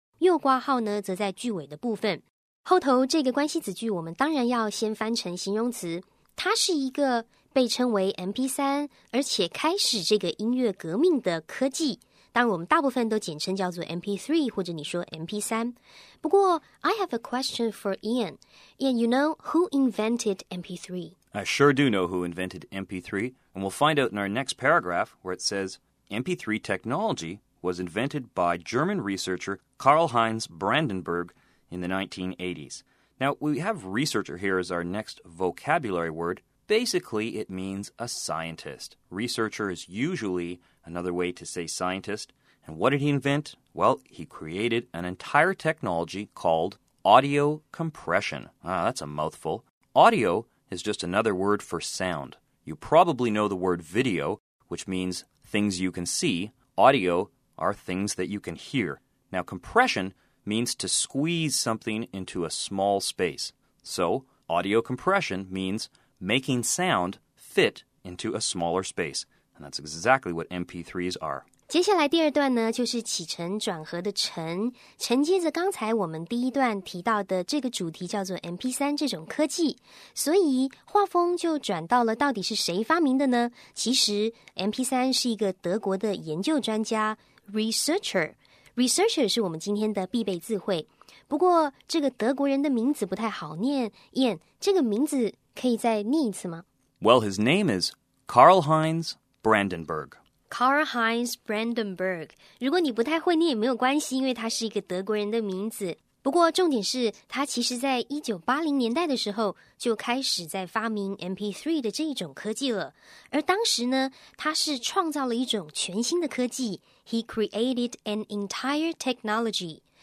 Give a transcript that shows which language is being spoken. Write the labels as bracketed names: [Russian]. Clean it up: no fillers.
[Chinese] 右挂号呢，则在句尾的部分。后头这个关系子句，我们当然要先翻成形容词。它是一个被称为 MP3， 而且开始这个音乐革命的科技。当然，我们大部分都简称叫做 MP3， 或者你说 MP3。不过 [English] ，I have a question for Ian. Ian, you know who invented MP3? I sure do know who invented MP3, and we'll find out in our next paragraph where it says MP3 technology was invented by German researcher Karl-Heinz Brandenburg in the 1980s. Now, we have researcher here as our next vocabulary word. Basically, it means a scientist. Researcher is usually... Another way to say scientist. And what did he invent? Well, he created an entire technology called audio compression. Ah, that's a mouthful. Audio is just another word for sound. You probably know the word video, which means things you can see. Audio are things that you can hear. Now, compression means to squeeze something into a small space. So, audio compression means making sound fit into a smaller space. And that's exactly what MP3s are. [Chinese] 接下来第二段呢，就是起承转合的承，承接着刚才我们第一段提到的这个主题叫做 MP3 这种科技。所以画风就转到了到底是谁发明的呢？其实 MP3 是一个德国的研究专家 ,researcher。 researcher 是我们今天的必备字汇。不过这个德国人的名字不太好念。 Ian, 这个名字可以再念一次吗？ [English] Well, his name is Karl-Heinz... Brandenburg. [Chinese] Karl-Heinz Brandenburg. 如果你不太会念也没有关系，因为他是一个德国人的名字。不过重点是他其实在1980年代的时候就开始在发明 MP3 的这一种科技了，而当时呢他是创造了一种全新的科技， [English] He created an entire technology。